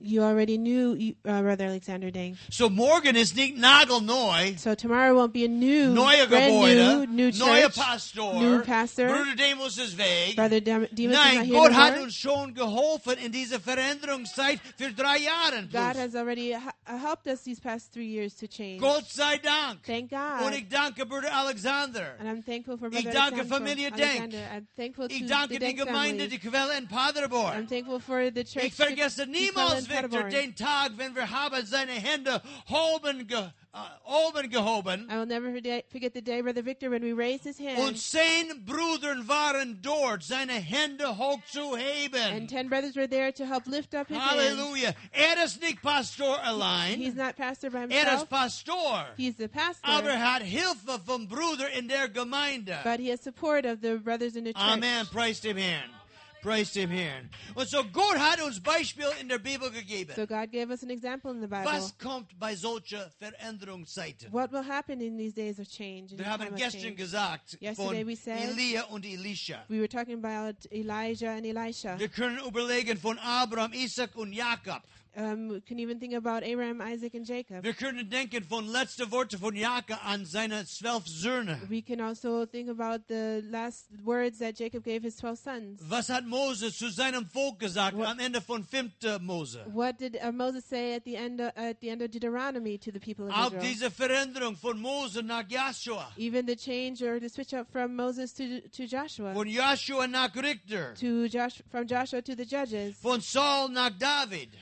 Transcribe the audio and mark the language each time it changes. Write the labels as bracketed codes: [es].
[en] You already knew Brother Alexander Deng. [de] So morgen ist nicht nagelneu. [en] So tomorrow won't be a new, [de] neue [en] brand [de] Gebäude, [en] new church, [de] neue Pastor, [en] new pastor. [de] Bruder Demos ist weg. [en] Brother Demos [de] Nein, [en] is not here [de] Gott hat uns schon geholfen in dieser Veränderungszeit für 3 Jahren. [en] God plus. Has already helped us these past 3 years to change. [de] Gott sei Dank. [en] Thank God. [de] Und ich danke Bruder Alexander. [en] And I'm thankful for Brother [de] ich danke [en] Alexander. [de] Familie Deng. Ich danke der Gemeinde, die Quelle in Paderborn. [en] I'm thankful for the church. [de] Ich vergesse niemals, Victor, den Tag, wenn wir haben seine Hände hoben oben gehoben. [en] I will never forget the day, Brother Victor, when we raised his hand. [de] Und 10 Brüder waren dort, seine Hände hoch zu heben. [en] And 10 brothers were there to help lift up his hand. [de] Hallelujah. Er ist nicht Pastor allein. [en] He's not pastor by himself. [de] Er ist Pastor. [en] He's the pastor. [de] Aber hat Hilfe vom Bruder in der Gemeinde. [en] But he has support of the brothers in the church. Amen. Praise him here. Praise him here. [de] Und so Gott hat uns Beispiel in der Bibel gegeben. [en] So God gave us an example in the Bible. [de] Was kommt bei solchen Veränderungszeiten? [en] What will happen in these days of change? [de] Wir haben gestern gesagt von Elia und Elisha. [en] We were talking about Elijah and Elisha. [de] Wir können überlegen von Abraham, Isaac und Jakob. [en] We can even think about Abraham, Isaac, and Jacob. [de] Wir können denken von letzte Worte von Jakob an seine 12 Söhne. [en] We can also think about the last words that Jacob gave his 12 sons. [de] Was hat Moses zu seinem Volk gesagt am Ende von 5. Mose? [en] What did Moses say at the end of Deuteronomy to the people of Israel? [de] Auch diese Veränderung von Mose nach Joshua. [en] Even the change or the switch up from Moses to Joshua. [de] Von Joshua nach Richter. [en] From Joshua to the judges. [de] Von Saul nach David.